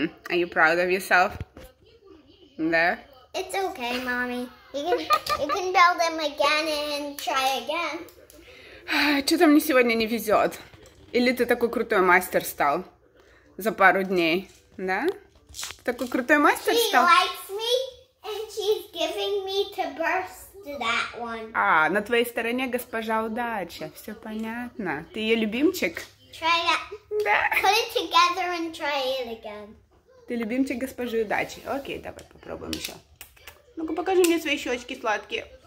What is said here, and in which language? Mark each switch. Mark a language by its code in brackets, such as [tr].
[en] Are you proud of yourself? [ru] Да. [en] It's okay, mommy. You can build them again and try again. [ru] Что-то мне сегодня не везет. Или ты такой крутой мастер стал за пару дней, да? Такой крутой мастер [en] she [ru] стал. [en] She likes me and she's giving me to burst. To that one. [ru] А, на твоей стороне госпожа удача. Все понятно. Ты ее любимчик? [en] Try it. [ru] Да. [en] Put it together and try it again. [ru] Ты любимчик госпожи удачи. Окей, давай попробуем еще. Ну-ка, покажи мне свои щечки сладкие.